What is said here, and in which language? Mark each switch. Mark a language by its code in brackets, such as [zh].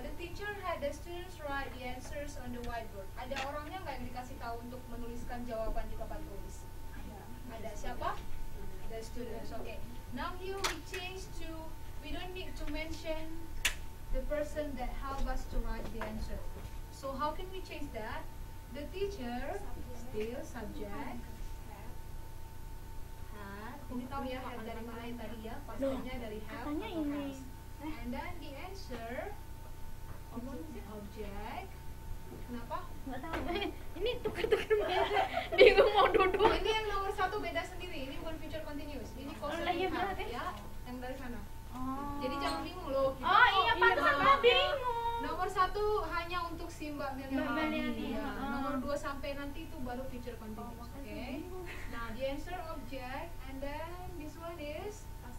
[en] The teacher had the students write the answers on the whiteboard. [id] Ada orangnya nggak yang dikasih tahu untuk menuliskan jawaban di papan tulis? Ada. Ada siapa? [en] The students. Okay. Now here we change to, we don't need to mention the person that help us to write the answer. So how can we change that? The teacher, still subject. [id] Ini tahu ya, have dari mana yang tadi ya? Pasalnya dari have atau has. [en] And then the answer, object. Kenapa? [id] Gak tahu. Ini tukar-tukar meja. Bingung mau duduk. Ini yang nomor satu beda sendiri. Ini bukan future continuous. Ini kosakata ya, yang dari sana. Jadi jangan bingung loh. Bingung. Nomor satu hanya untuk si Mbak Melia. Nomor dua sampai nanti itu baru future continuous. Oke. [en] Nah, the answer object, and then this one is